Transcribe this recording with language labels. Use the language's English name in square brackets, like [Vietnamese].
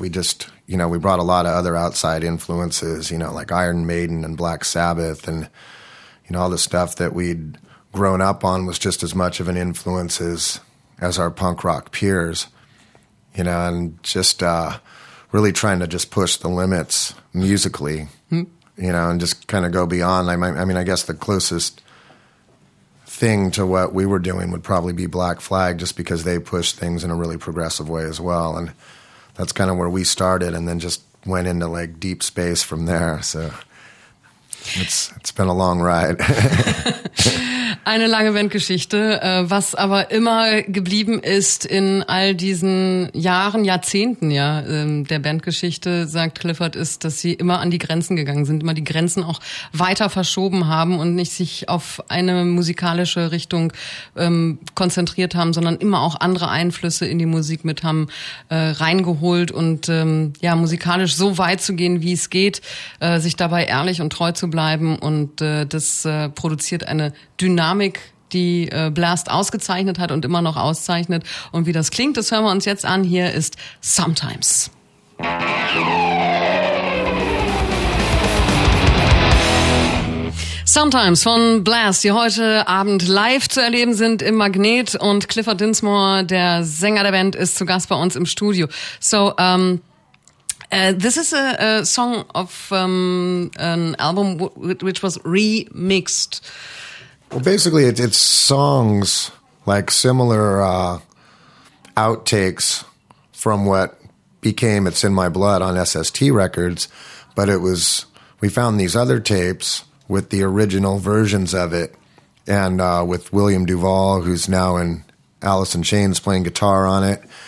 [English] We just, you know, we brought a lot of other outside influences, you know, like Iron Maiden and Black Sabbath, and, you know, all the stuff that we'd grown up on was just as much of an influence as our punk rock peers, you know, and just really trying to just push the limits musically, you know, and just kind of go beyond. I mean, I guess the closest thing to what we were doing would probably be Black Flag, just because they pushed things in a really progressive way as well. And that's kind of where we started, and then just went into like deep space from there. So it's been a long ride. [German] Eine lange Bandgeschichte. Was aber immer geblieben ist in all diesen Jahren, Jahrzehnten ja, der Bandgeschichte, sagt Clifford, ist, dass sie immer an die Grenzen gegangen sind, immer die Grenzen auch weiter verschoben haben und nicht sich auf eine musikalische Richtung konzentriert haben, sondern immer auch andere Einflüsse in die Musik mit haben reingeholt und ja, musikalisch so weit zu gehen, wie es geht, sich dabei ehrlich und treu zu bleiben, und das produziert eine Dynamik, die Blast ausgezeichnet hat und immer noch auszeichnet. Und wie das klingt, das hören wir uns jetzt an. Hier ist Sometimes. Sometimes von Blast, die heute Abend live zu erleben sind im Magnet. Und Clifford Dinsmore, der Sänger der Band, ist zu Gast bei uns im Studio. [English] So, this is a song of an album which was remixed. Well, basically, it's songs, like similar outtakes from what became It's In My Blood on SST Records, but it was, we found these other tapes with the original versions of it, and with William Duvall, who's now in Alice in Chains, playing guitar on it.